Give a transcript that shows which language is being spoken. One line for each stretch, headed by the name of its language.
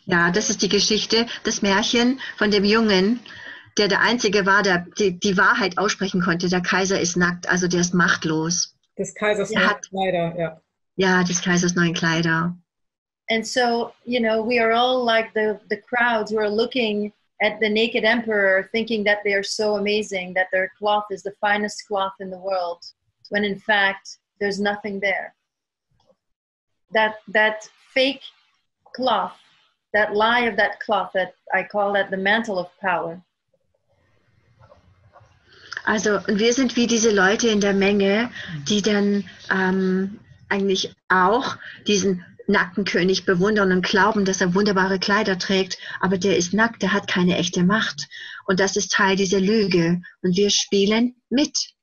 German: Ja, das ist die Geschichte, das Märchen von dem Jungen, der Einzige war, der die Wahrheit aussprechen konnte. Der Kaiser ist nackt, also der ist machtlos. Des Kaisers neuen Kleider, ja. Ja, des Kaisers neuen Kleider.
English: And so, you know, we are all like the crowds who are looking at the naked emperor, thinking that they are so amazing, that their cloth is the finest cloth in the world, when in fact, there's nothing there. That fake cloth, that lie of that cloth, that I call that the mantle of power.
German: Also, und wir sind wie diese Leute in der Menge, die dann eigentlich auch diesen nackten König bewundern und glauben, dass er wunderbare Kleider trägt, aber der ist nackt, der hat keine echte Macht. Und das ist Teil dieser Lüge. Und wir spielen mit.